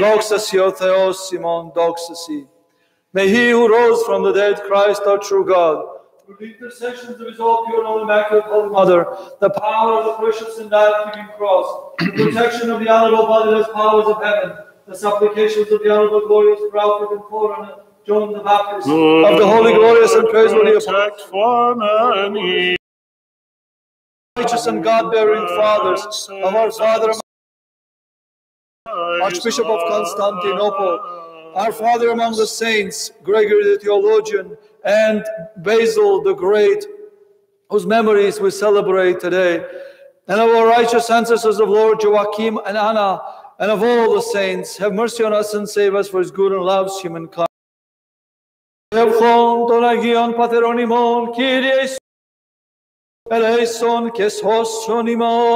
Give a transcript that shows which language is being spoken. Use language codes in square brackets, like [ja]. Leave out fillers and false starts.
[el] Δόξα σοι ο Θεός ημών, δόξα σοι. [en] May he who rose from the dead, Christ our true God, through the intercessions of his all pure and all immaculate Holy Mother, the power of the precious and life-giving cross, the protection of the honorable body and the powers of heaven, the supplications of the honorable glorious prophet and forerunner, John the Baptist, of the holy, glorious, and praiseworthy apostles, righteous and God-bearing fathers, of our Father, Archbishop of Constantinople, our Father among the saints, Gregory the Theologian, and Basil the Great, whose memories we celebrate today, and of our righteous ancestors of Lord Joachim and Anna, and of all the saints, have mercy on us and save us for his good and loves humankind. [el] Ευχών των Αγίων Πατέρων ημών, Κύριε Ιησού, ελέησον και σώσον ημάς.